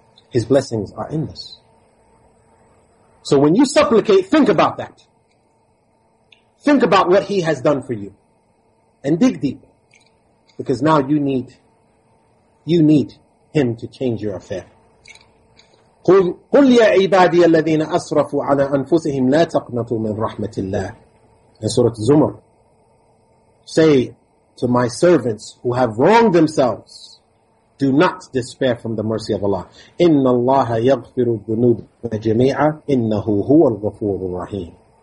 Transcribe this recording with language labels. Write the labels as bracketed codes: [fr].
[en] His blessings are endless. So when you supplicate, think about that. Think about what He has done for you. And dig deep. Because now you need Him to change your affair. [ar] قل يا عبادي الذين أسرفوا على أنفسهم لا تقنطوا من رحمة الله [en] in Surah Zumar, say to my servants who have wronged themselves, do not despair from the mercy of Allah. [ar] إِنَّ اللَّهَ يَغْفِرُ الذُّنُوبَ جَمِيعًا إِنَّهُ هُوَ الْغَفُورُ الرَّحِيمُ.